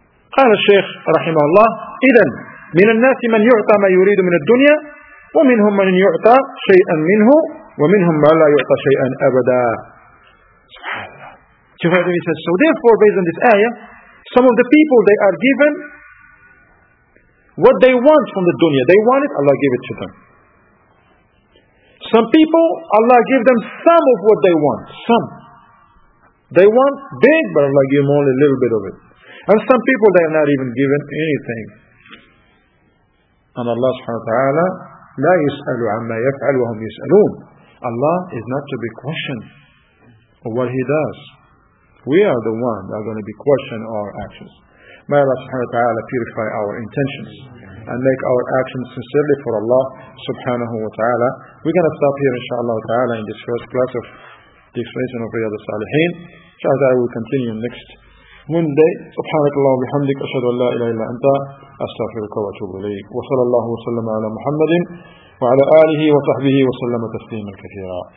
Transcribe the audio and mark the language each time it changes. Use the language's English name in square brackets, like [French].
[Arabic] قال الشيخ رحمه الله إذن من الناس من يعطى ما يريد من الدنيا ومنهم من يعطى شيئا منه ومنهم ما لا يعطى شيئا أبدا سبحان الله. [English] So therefore, based on this ayah, some of the people, they are given what they want from the dunya. They want it, Allah give it to them. Some people, Allah give them some of what they want. Some they want big, but Allah give them only a little bit of it. And some people, they are not even given anything. And Allah subhanahu wa ta'ala, لا يسأل عما يفعل وهم يسألون. Allah is not to be questioned of what He does. We are the ones that are going to be questioned our actions. May Allah subhanahu wa ta'ala purify our intentions and make our actions sincerely for Allah subhanahu wa ta'ala. We're going to stop here inshaAllah ta'ala in this first class of the explanation of Riyad al-Salihin. Inshallah ta'ala, we'll continue next Monday. [Arabic] سبحانك اللهم وبحمدك أشهد أن لا إله إلا أنت أستغفرك وأتوب إليك وصلى الله وسلم على محمد وعلى آله وصحبه وسلم تسليما كثيرا.